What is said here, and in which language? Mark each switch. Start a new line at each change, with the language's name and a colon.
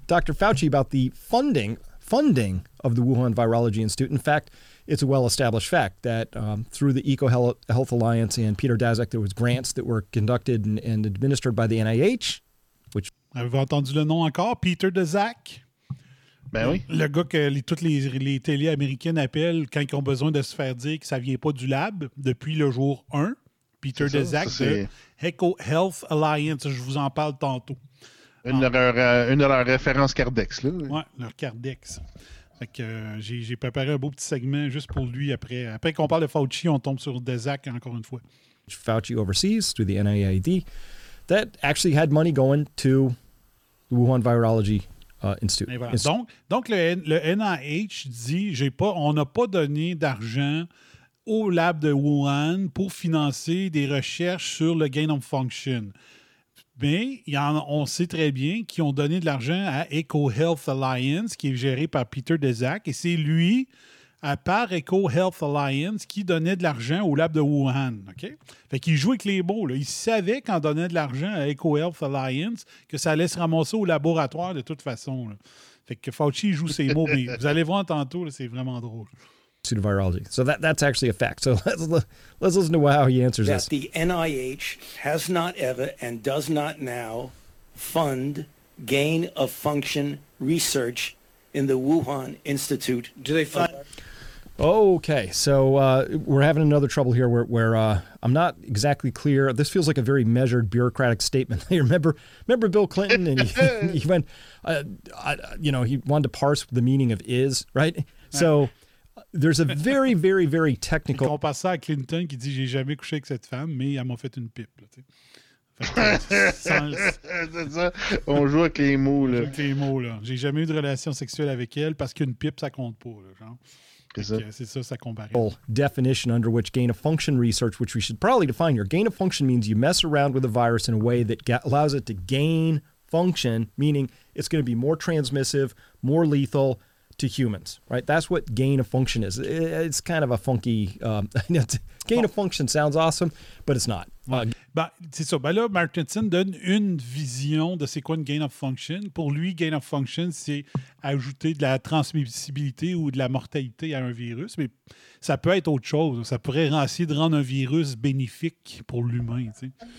English: Fauci about the funding of the Wuhan Virology Institute. In fact, it's a well-established fact that through the EcoHealth Alliance and Peter Daszak, there was grants that were conducted and administered by the NIH, which
French: Avez-vous entendu le nom encore? Peter Dezac? Ben oui. Le gars que toutes les télés américaines appellent quand ils ont besoin de se faire dire que ça vient pas du lab depuis le jour 1. Peter Dezac, de Echo Health Alliance. Je vous en parle tantôt. Une de leurs références Cardex, là. Ouais, leur Cardex. Fait que j'ai préparé un beau petit segment juste pour lui. Après qu'on parle de Fauci, on tombe sur Dezac encore une fois.
English: Fauci overseas through the NIAID that actually had money going to the Wuhan Virology Institute.
French: Voilà. Donc le NIH dit on n'a pas donné d'argent au lab de Wuhan pour financer des recherches sur le gain of function. Mais on sait très bien qu'ils ont donné de l'argent à Echo Health Alliance, qui est géré par Peter Dezac, et c'est lui, à part Echo Health Alliance, qui donnait de l'argent au lab de Wuhan. Okay? Fait qu'il jouait avec les mots. Là. Il savait qu'en donnait de l'argent à Echo Health Alliance, que ça allait se ramasser au laboratoire de toute façon. Là. Fait que Fauci joue ses mots, mais vous allez voir tantôt, là, c'est vraiment drôle.
English: Virology. So that's actually a fact. So let's listen to how he answers that this. The NIH has not ever and does not now fund gain-of-function research in the Wuhan Institute. Do they fund? Okay, so we're having another trouble here where I'm not exactly clear. This feels like a very measured bureaucratic statement. remember Bill Clinton, and he went, he wanted to parse the meaning of is, right? So. There's a very, very, very technical.
French: On passe ça à Clinton qui dit j'ai jamais couché avec cette femme, mais elle m'a fait une pipe. Là, fait c'est ça. On joue avec les mots là. Avec les mots là. J'ai jamais eu de relation sexuelle avec elle parce qu'une pipe ça compte pas. Là, genre. C'est ça comparait.
English: Definition under which gain of function research, which we should probably define here. Gain of function means you mess around with a virus in a way that allows it to gain function, meaning it's going to be more transmissive, more lethal. To humans, right? That's what gain of function is. It's kind of a funky gain of function sounds awesome, but it's not.
French: C'est ça. Ben là, Martinson donne une vision de c'est quoi une gain of function. Pour lui, gain of function, c'est ajouter de la transmissibilité ou de la mortalité à un virus, mais ça peut être autre chose. Ça pourrait essayer de rendre un virus bénéfique pour l'humain. T'sais.